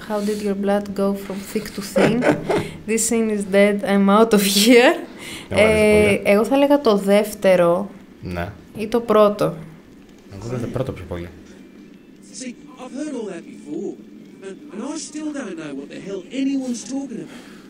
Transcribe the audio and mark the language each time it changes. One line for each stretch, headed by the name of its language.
English: How did your blood go from thick to thin? This scene is dead, I'm out of here.
Greek: Εγώ θα έλεγα το δεύτερο. Ναι. Ή το πρώτο. Εγώ θα έλεγα το πρώτο πιο πολύ.
English: See, I've heard all that before. And I still don't know what the hell anyone's talking about.